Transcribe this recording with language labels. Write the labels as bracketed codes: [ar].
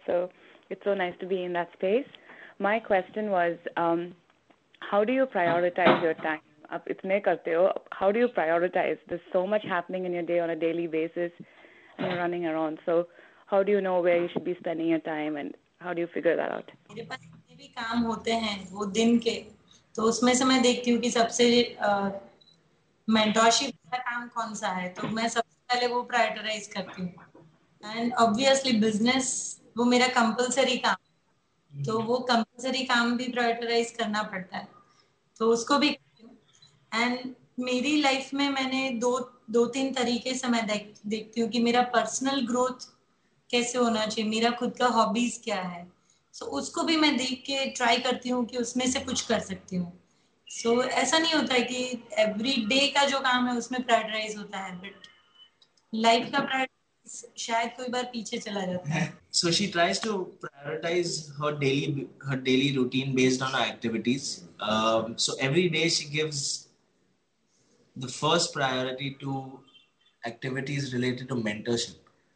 [en] So it's so nice to be in that space. My question was, how do you prioritize your time? How do you prioritize? There's so much happening in your day on a daily basis and you're running around. So how do you know where you should be spending your time and how do you figure that out? [hi] मेरे पास जितने भी काम होते हैं वो दिन के, तो उसमें से मैं देखती हूँ कि सबसे मेंटोरशिप का काम कौन सा है, तो मैं सबसे पहले वो प्रायोरिटाइज करती हूँ. एंड ऑब्वियसली बिजनेस वो मेरा कंपलसरी काम, तो वो कंपलसरी काम भी प्रायोरिटाइज करना पड़ता है, तो उसको भी. एंड मेरी लाइफ में मैंने दो तीन तरीके से मैं देखती हूँ कि मेरा पर्सनल ग्रोथ कैसे होना चाहिए, मेरा खुद का हॉबीज क्या है. सो उसको भी मैं देख के ट्राई करती हूँ कि उसमें से कुछ कर सकती हूँ. सो ऐसा नहीं होता है कि एवरी डे का जो काम है उसमें प्रायोरिटाइज होता है, बट लाइफ का प्रायोरिटाइज शायद कोई बार पीछे चला जाता है. [en] So she tries to prioritize her daily routine based on her activities. So every day she gives the first priority to activities related to mentorship.